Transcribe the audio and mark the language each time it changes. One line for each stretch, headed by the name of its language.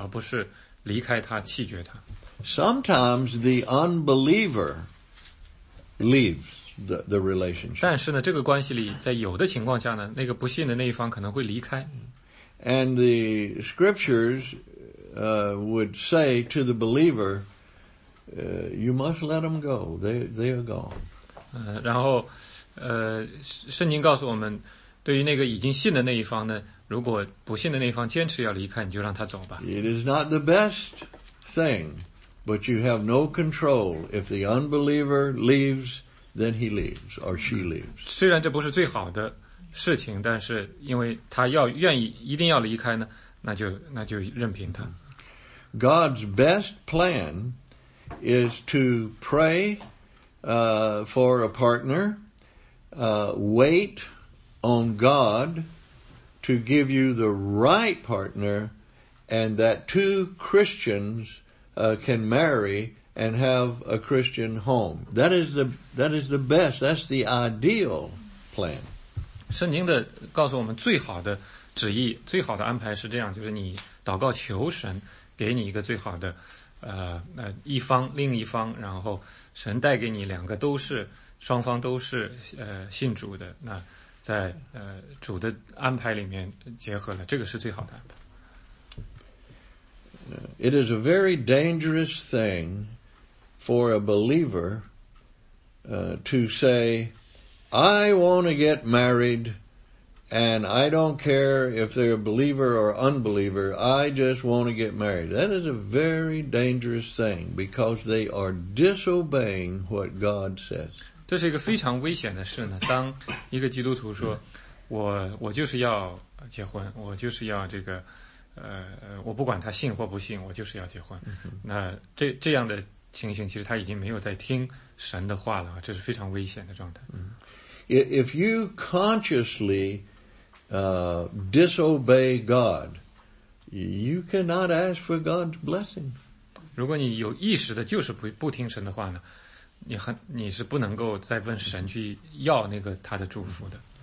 Chinese: 对，所以，当我们一个得救了以后呢，我们有可能借着这个能够帮助到另一个不得救的，而不是离开他，弃绝他。
English: Sometimes the unbeliever leaves the relationship.
Chinese: 但是呢，这个关系里，在有的情况下呢，那个不信的那一方可能会离开。
English: And the scriptures would say to the believer, you must let them go. They are gone.
Chinese: 然后, 圣经告诉我们，对于那个已经信的那一方呢，如果不信的那一方坚持要离开，你就让他走吧。
English: It is not the best thing, but you have no control. If the unbeliever leaves, then he leaves or she leaves.
Chinese: 虽然这不是最好的事情，但是因为他要愿意一定要离开呢，那就任凭他。
English: God's best plan is to pray, for a partner, wait on God to give you the right partner and that two Christians, can marry and have a Christian home. That is the best. That's the ideal plan.
Chinese: 圣经的告诉我们最好的旨意最好的安排是这样，就是你祷告求神给你一个最好的一方另一方，然后神带给你两个都是双方都是信主的，那在主的安排里面结合了，这个是最好的安排。
English: It is a very dangerous thing for a believer to say, I want to get married and I don't care if they're a believer or unbeliever, I just want to get married. That is a very dangerous thing because they are disobeying what God says.
Chinese: 这是一个非常危险的事呢，当一个基督徒说我就是要结婚，我就是要这个我不管他信或不信，我就是要结婚，那这样的情形其实他已经没有在听神的话了，这是非常危险的状态。
English: If you consciously disobey God, you cannot ask for God's blessing.
Chinese: 如果你有意识的就是不听神的话呢，你是不能够再问神去要那个他的祝福的。